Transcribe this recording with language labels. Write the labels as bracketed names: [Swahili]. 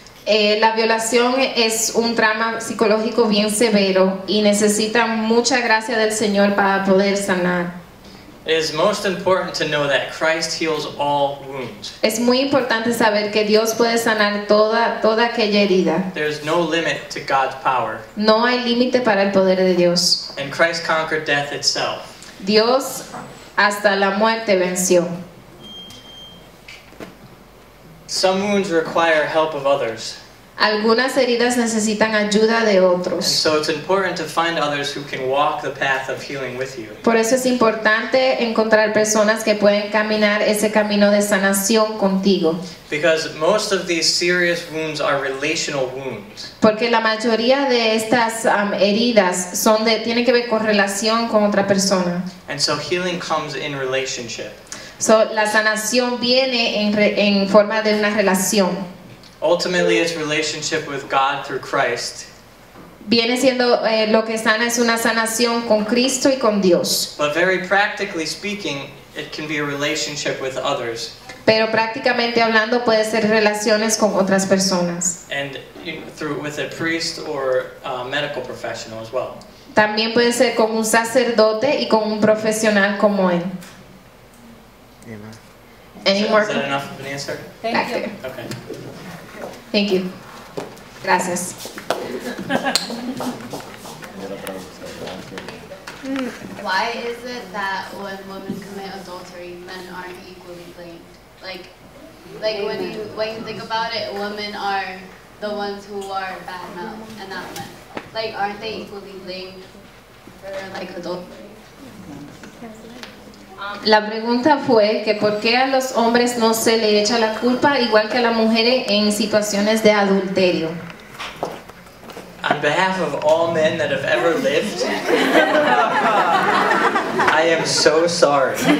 [Spanish] La violación es un trauma psicológico bien severo y necesita mucha gracia del Señor para poder sanar. [English] It is most important to know that Christ heals all wounds. [Spanish] Es muy importante saber que Dios puede sanar toda aquella herida. [English] There is no limit to God's power. [Spanish] No hay límite para el poder de Dios. [English] And Christ conquered death itself. [Spanish] Dios hasta la muerte venció. [English] Some wounds require help of others. [Spanish] Algunas heridas necesitan ayuda de otros. [English] And so it's important to find others who can walk the path of healing with you. [Spanish] Por eso es importante encontrar personas que pueden caminar ese camino de sanación contigo. [English] Because most of these serious wounds are relational wounds. [Spanish] Porque la mayoría de estas heridas tienen que ver con relación con otra persona. [English] And so healing comes in relationship. [Spanish] So, la sanación viene en forma de una relación. [English] Ultimately, it's relationship with God through Christ. [Spanish] Viene siendo lo que sana es una sanación con Cristo y con Dios. [English] But very practically speaking, it can be a relationship with others. [Spanish] Pero prácticamente hablando, puede ser relaciones con otras personas. [English] And with a priest or a medical professional as well. [Spanish] También puede ser con un sacerdote y con un profesional como él. [English] Any more? Is that enough of an answer? Thank you. Okay. Thank you. Gracias. Why is it that when women commit adultery, men aren't equally blamed? Like when you think about it, women are the ones who are bad mouth and not men. Like, aren't they equally blamed for like adultery? [Spanish] La pregunta fue que por qué a los hombres no se le echa la culpa igual que a las mujeres en situaciones de adulterio. [English] On behalf of all men that have ever lived, I am so sorry.